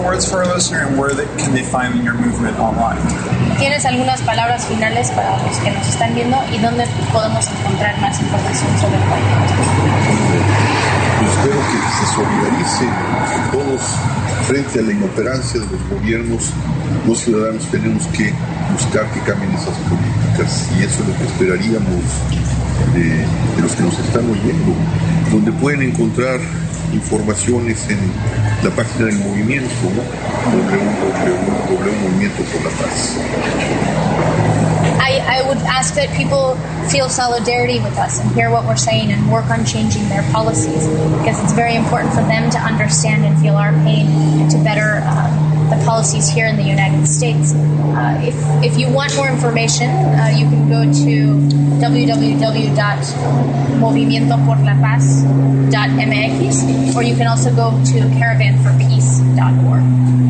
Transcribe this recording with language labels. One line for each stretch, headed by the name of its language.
English: For a listener, and where can they find your movement online?
Spanish: ¿Tienes algunas palabras finales para los que nos están viendo y dónde podemos encontrar más información sobre el movimiento? Espero que se solidaricen todos frente a la inoperancia de los gobiernos. Los ciudadanos tenemos que buscar que cambien esas políticas, y eso es lo que esperaríamos de los que nos están oyendo. Donde pueden encontrar informaciones en la página del movimiento, ¿no? www.movimientoporlapaz.
English: I would ask that people feel solidarity with us and hear what we're saying and work on changing their policies, because it's very important for them to understand and feel our pain and to better the policies here in the United States. If you want more information, you can go to www.movimientoporlapaz.mx, or you can also go to caravanforpeace.org.